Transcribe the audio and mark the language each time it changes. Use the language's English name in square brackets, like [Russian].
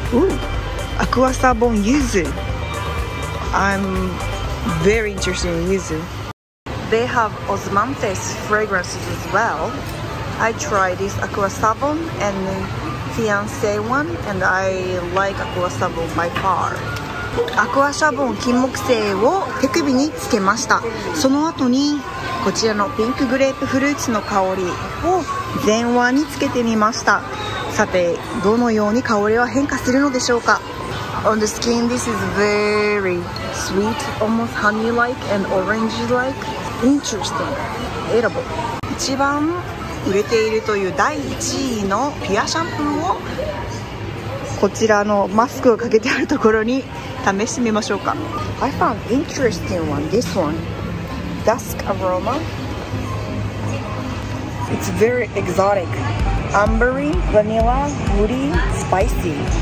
[English] Ooh, Aqua Sabon Yuzu. I'm very interested in yuzu. They have Osmanthes fragrances as well. I tried this Aqua Sabon and Fiance one, and I like Aqua Sabon by far. [Japanese] Aqua Sabon 金木犀を手首につけました。その後にこちらのピンクグレープフルーツの香りを前腕につけてみました。さて、どのように香りは変化するのでしょうか。 [English] On the skin, this is very sweet, almost honey-like and orange-like. Interesting. Edible. [Japanese] 一番売れているという第1位のピュアシャンプーをこちらのマスクをかけてあるところに試してみましょうか。 [English] I found interesting one, this one. Dusk aroma. It's very exotic. Ambery, vanilla, woody, spicy.